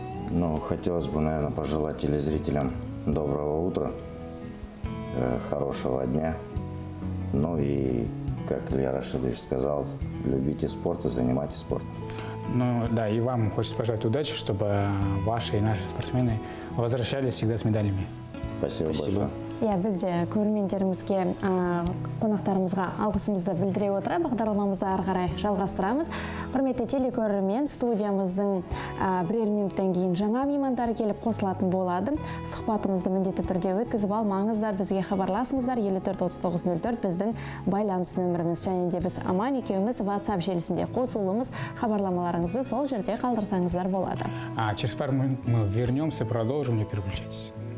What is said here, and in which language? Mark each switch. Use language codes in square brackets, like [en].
[ru] Ну, хотелось бы, наверное, пожелать телезрителям доброго утра, хорошего дня. Ну и, как Илья Рашидович сказал, любите спорт и занимайтесь спортом. Ну да, и вам хочется пожелать удачи, чтобы ваши и наши спортсмены возвращались всегда с медалями. Спасибо, спасибо большое. [kk] Я везде курмендермуске конахтармзга алгысымызды билдире отура бағдарламамызды арғарай жалғастырамыз. Құрметті телекөрермен, студиямыздың бірер минуттан кейін жаңа меймандар келіп қосылатын болады. Сұхбатымызды міндетті түрде өткізіп алмаңыздар, бізге хабарласыңыздар. 543904 біздің байланыс нөміріміз. Және де біз Аман екеуміз WhatsApp желісінде қосылуымыз. Хабарламаларыңызды сол жерде қалдырсаңыздар болады. [ru] А через пару минут мы вернемся, продолжим, не переключайтесь.